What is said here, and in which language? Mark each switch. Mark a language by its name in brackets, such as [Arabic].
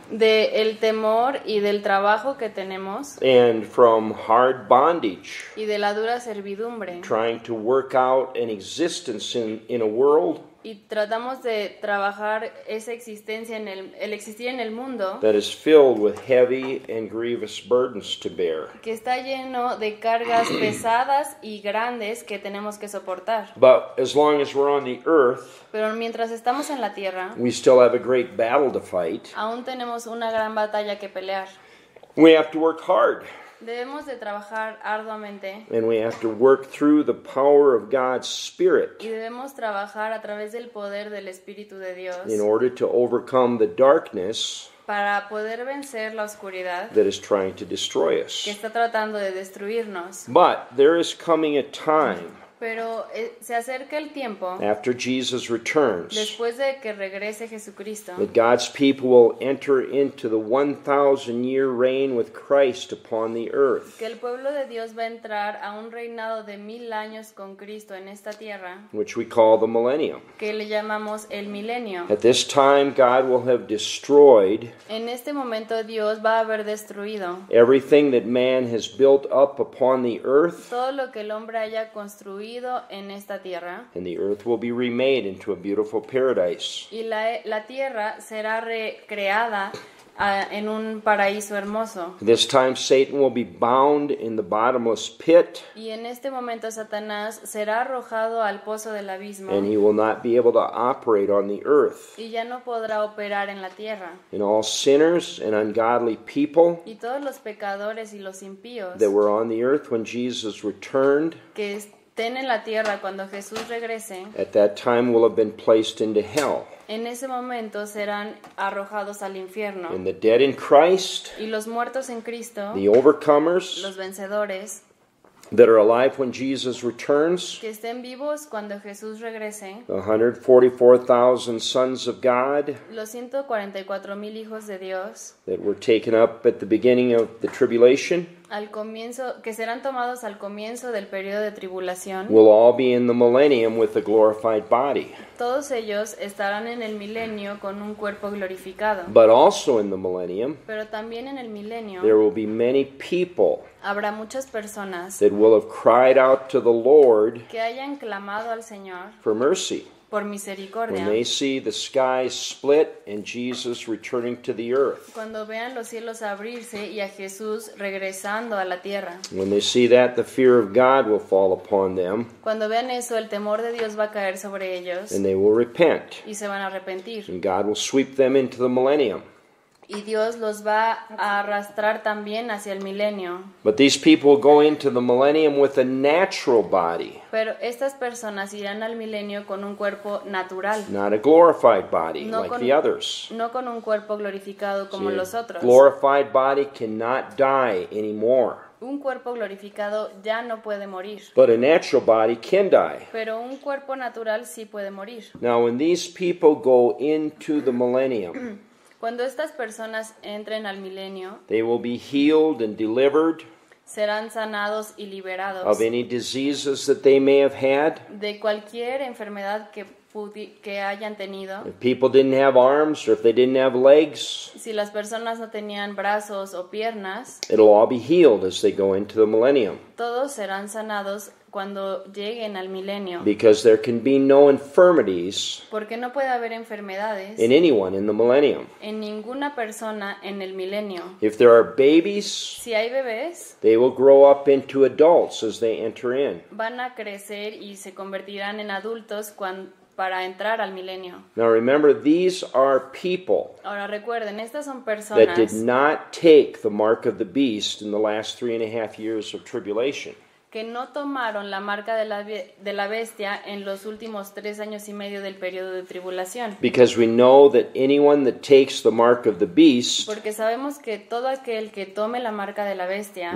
[Spanish] De el temor y del trabajo que tenemos. [English] And from hard bondage. [Spanish] Y de la dura servidumbre. [English] Trying to work out an existence in a world. [Spanish] Y tratamos de trabajar esa existencia en el existir en el mundo. [English] That is filled with heavy and grievous burdens to bear. [Spanish] Que está lleno de cargas pesadas y grandes que tenemos que soportar. [English] But as long as we're on the earth. [Spanish] Pero mientras estamos en la tierra. [English] We still have a great battle to fight. [Spanish] Aún tenemos una gran batalla que pelear. [English] We have to work hard. [Spanish] Debemos de trabajar arduamente. [English] And we have to work through the power of God's Spirit. [Spanish] Y debemos trabajar a través del poder del Espíritu de Dios. [English] In order to overcome the darkness. [Spanish] Para poder vencer la oscuridad. [English] That is trying to destroy us. [Spanish] Que está tratando de destruirnos. [English] But there is coming a time. [Spanish] Pero se acerca el tiempo. [English] After Jesus returns. [Spanish] Después de que regrese Jesucristo. [English] That God's people will enter into the 1,000-year reign with Christ upon the earth. [Spanish] Que el pueblo de Dios va a entrar a un reinado de 1,000 años con Cristo en esta tierra. [English] Which we call the millennium. [Spanish] Que le llamamos el milenio. [English] At this time, God will have destroyed. [Spanish] En este momento, Dios va a haber destruido. [English] Everything that man has built up upon the earth. [Spanish] Todo lo que el hombre haya construido. En esta tierra. [English] And the earth will be remade into a beautiful paradise. [Spanish] Y la tierra será recreada en un paraíso hermoso. [English] This time Satan will be bound in the bottomless pit. [Spanish] Y en este momento Satanás será arrojado al pozo del abismo. [English] And he will not be able to operate on the earth. [Spanish] Y ya no podrá operar en la tierra. [English] And all sinners and ungodly people. [Spanish] Y todos los pecadores y los impíos. [English] That were on the earth when Jesus returned. [Spanish] Que estén en la tierra cuando Jesús regrese. [English] At that time will have been placed into hell. [Spanish] En ese momento serán arrojados al infierno. [English] And the dead in Christ. [Spanish] Y los muertos en Cristo. [English] The overcomers. [Spanish] Los vencedores. [English] That are alive when Jesus returns. [Spanish] Que estén vivos cuando Jesús regrese. [English] The 144,000 sons of God. [Spanish] Los 144,000 hijos de Dios. [English] That were taken up at the beginning of the tribulation. [Spanish] Al comienzo, que serán tomados al comienzo del periodo de tribulación. [English] Will all be in the millennium with a glorified body. [Spanish] Todos ellos estarán en el milenio con un cuerpo glorificado. [English] But also in the millennium. [Spanish] Pero también en el milenio. [English] There will be many people. [Spanish] Habrá muchas personas. [English] That will have cried out to the Lord. [Spanish] Que hayan clamado al Señor. [English] For mercy. [Spanish] Por misericordia. [English] When they see the skies split and Jesus returning to the earth. [Spanish] Cuando vean los cielos abrirse y a Jesús regresando a la tierra. [English] When they see that, the fear of God will fall upon them. [Spanish] Cuando vean eso, el temor de Dios va a caer sobre ellos. [English] And they will repent. [Spanish] Y se van a arrepentir. [English] And God will sweep them into the millennium. [Spanish] Y Dios los va a arrastrar también hacia el milenio. [English] But these people go into the millennium with a natural body. [Spanish] Pero estas personas irán al milenio con un cuerpo natural. [English] Not a glorified body like the others. [Spanish] No con un cuerpo glorificado como los otros. [English] Glorified body cannot die anymore. [Spanish] Un cuerpo glorificado ya no puede morir. [English] But a natural body can die. [Spanish] Pero un cuerpo natural sí puede morir. [English] Now when these people go into the millennium. [Spanish] Cuando estas personas entren al milenio, [English] they will be healed and delivered. [Spanish] serán sanados y liberados. [English] Of any diseases that they may have had. [Spanish] De cualquier enfermedad que hayan tenido. [English] If people didn't have arms or if they didn't have legs. [Spanish] Si las personas no tenían brazos o piernas. [English] It'll all be healed as they go into the millennium. [Spanish] Todos serán sanados cuando lleguen al milenio. [English] Because there can be no infirmities. [Spanish] Porque no puede haber enfermedades. [English] In anyone in the millennium. [Spanish] En ninguna persona en el milenio. [English] If there are babies. [Spanish] Si hay bebés. [English] They will grow up into adults as they enter in. [Spanish] Van a crecer y se convertirán en adultos para entrar al milenio. [English] Now remember, these are people. [Spanish] Ahora recuerden, estas son personas. [English] That did not take the mark of the beast in the last 3.5 years of tribulation. [Spanish] Que no tomaron la marca de la bestia en los últimos 3.5 años del periodo de tribulación. [English] Because we know that anyone that takes the mark of the beast. [Spanish] Porque sabemos que todo aquel que tome la marca de la bestia.